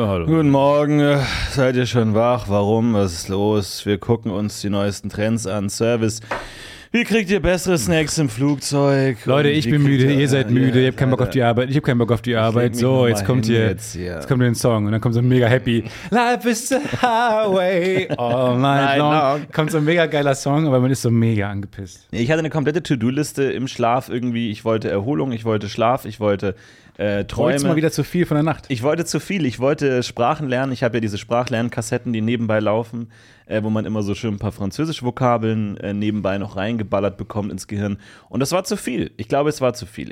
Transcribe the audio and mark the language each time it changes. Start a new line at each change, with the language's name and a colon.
German: Hallo. Guten Morgen. Seid ihr schon wach? Warum? Was ist los? Wir gucken uns die neuesten Trends an. Service. Wie kriegt ihr bessere Snacks im Flugzeug? Leute, ich bin müde. Ihr seid müde. Ihr habt keinen Bock auf die Arbeit. Ich habe keinen Bock auf die Arbeit. So, jetzt kommt hier. Jetzt kommt ein Song. Und dann kommt so ein mega happy.
English: Life is the highway all night long.
German: Kommt so ein mega geiler Song, aber man ist so mega angepisst. Ich hatte eine komplette To-Do-Liste im Schlaf irgendwie. Ich wollte Erholung. Ich wollte Schlaf. Ich wollte Träume. Wolltest mal wieder zu viel von der Nacht? Ich wollte zu viel. Ich wollte Sprachen lernen. Ich habe ja diese Sprachlernkassetten, die nebenbei laufen, wo man immer so schön ein paar französische Vokabeln nebenbei noch reingeballert bekommt ins Gehirn. Und das war zu viel. Ich glaube, es war zu viel.